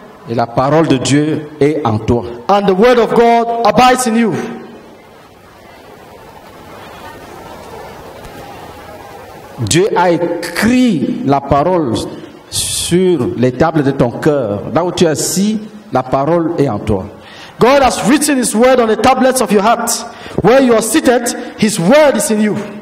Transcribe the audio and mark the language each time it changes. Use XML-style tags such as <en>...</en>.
<fr>Et la parole de Dieu est en toi.</fr> <en>And the word of God abides in you.</en> <fr>Dieu a écrit la parole sur les tables de ton cœur. Là où tu es assis, la parole est en toi.</fr> <en>God has written his word on the tablets of your heart. Where you are seated, his word is in you.</en>